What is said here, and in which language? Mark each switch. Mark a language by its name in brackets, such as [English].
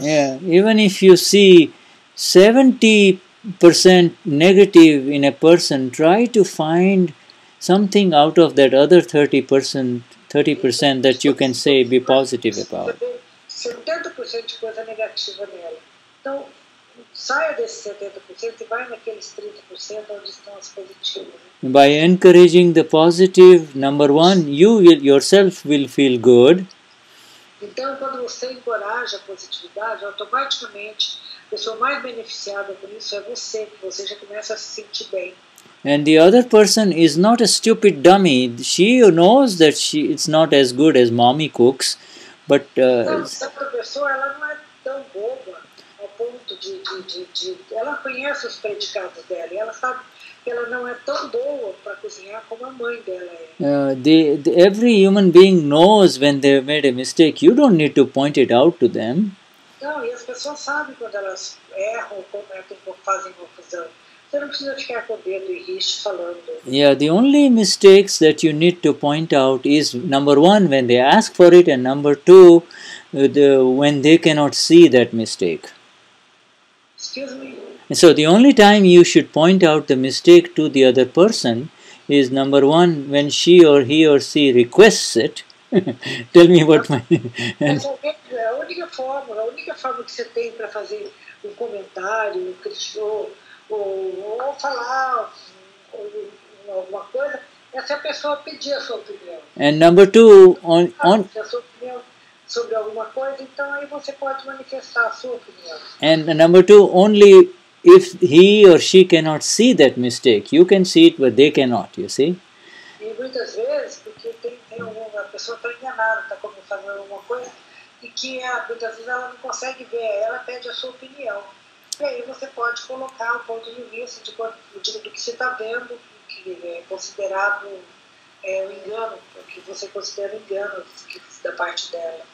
[English] Yeah, even if you see 70% negative in a person, try to find something out of that other 30% that you can say be positive about. [Portuguese] 70% coisa negativa nela. Então, saia desse 70% e vai naqueles 30% onde estão as positivas. [English] By encouraging the positive, number one, you will yourself will feel good. [Portuguese] Então, quando você encoraja a positividade, automaticamente a pessoa mais beneficiada por isso é você, que você já começa a se sentir bem. [English] And the other person is not a stupid dummy. She knows that it's not as good as mommy cooks, but [Portuguese] essa pessoa ela não é tão boba ao ponto de ela conhece os predicados dela e ela sabe que ela não é tão boa para cozinhar como a mãe dela é. [English] Every human being knows when they made a mistake. You don't need to point it out to them. [Portuguese] Não, e as pessoas sabem quando elas erram, quando fazem confusão. Você não precisa ficar com medo e rixo falando. [English] Yeah, the only mistakes that you need to point out is number one, when they ask for it, and number two, when they cannot see that mistake. Excuse me? And so the only time you should point out the mistake to the other person is, number one, when she or he or she requests it. Tell me what my... [Portuguese] A única forma que você tem para fazer comentário, crítico, ou falar alguma coisa, é se a pessoa pedir a sua opinião. [English] And number two, on [Portuguese] a sua opinião sobre alguma coisa, então aí você pode manifestar a sua opinião. [English] And number two, only if he or she cannot see that mistake. You can see it, but they cannot, you see? [Portuguese] E muitas vezes, porque tem uma pessoa que está enganada, está começando alguma coisa, e que muitas vezes ela não consegue ver, ela pede a sua opinião. E aí você pode colocar um ponto de vista de quanto, do que você está vendo, que é considerado um engano, o que você considera um engano da parte dela.